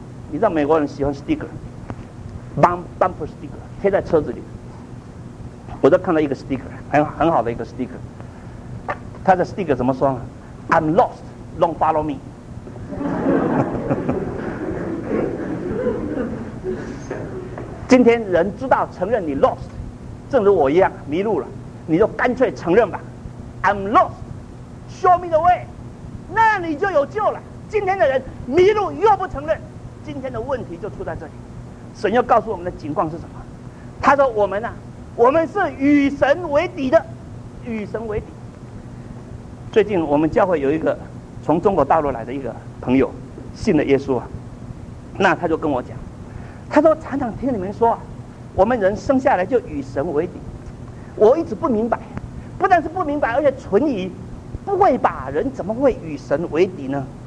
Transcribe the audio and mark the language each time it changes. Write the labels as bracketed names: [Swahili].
[Chinese] 你知道美国人喜欢 sticker， bumper sticker 贴在车子里，我都看到一个 sticker， 很好的一个 sticker， 他的 sticker 怎么说呢？ [English] I'm lost, don't follow me。 [Chinese] 今天人知道承认你 lost， 正如我一样迷路了，你就干脆承认吧。 [English] I'm lost, show me the way， [Chinese] 那你就有救了。今天的人迷路又不承认，今天的问题就出在这里。神又告诉我们的情况是什么？他说我们啊，我们是与神为敌的，与神为敌。最近我们教会有一个从中国大陆来的一个朋友信了耶稣啊，那他就跟我讲，他说常常听你们说我们人生下来就与神为敌，我一直不明白，不但是不明白，而且存疑，不会吧，人怎么会与神为敌呢？